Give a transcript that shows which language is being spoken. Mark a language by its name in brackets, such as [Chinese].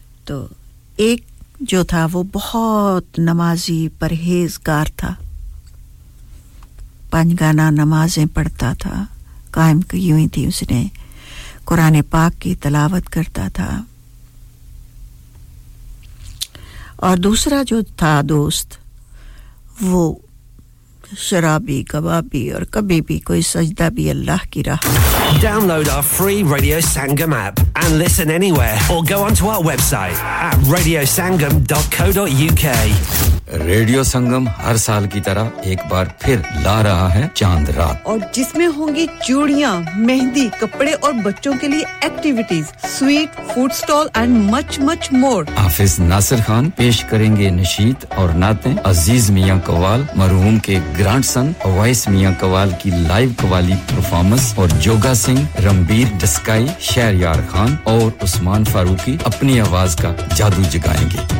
[Urdu] تو ایک جو تھا وہ بہت نمازی پرہیزگار تھا پنجگانہ نمازیں پڑھتا تھا قائم کی ہوئی تھی اس نے قرآن پاک کی تلاوت کرتا تھا اور دوسرا جو تھا دوست وہ شرابی کبابی اور کبھی بھی کوئی سجدہ بھی اللہ کی راہ [English] Download our free Radio Sangam app and listen anywhere or go onto our website at radiosangam.co.uk [Urdu] Radio Sangam ہر سال کی طرح ایک بار پھر لا رہا ہے چاند رات اور جس میں ہوں گی چوڑیاں مہندی کپڑے اور بچوں کے لیے activities [English] sweet food stall and much much more [Urdu] حافظ ناصر خان پیش کریں گے نشید اور نعتیں عزیز میاں قوال مرحوم کے گرانڈ سن اویس میاں قوال کی لائیو قوالی پرفارمنس اور جوگا سنگھ رمبیر ڈسکائی شہریار خان اور عثمان فاروقی اپنی آواز کا جادو جگائیں گے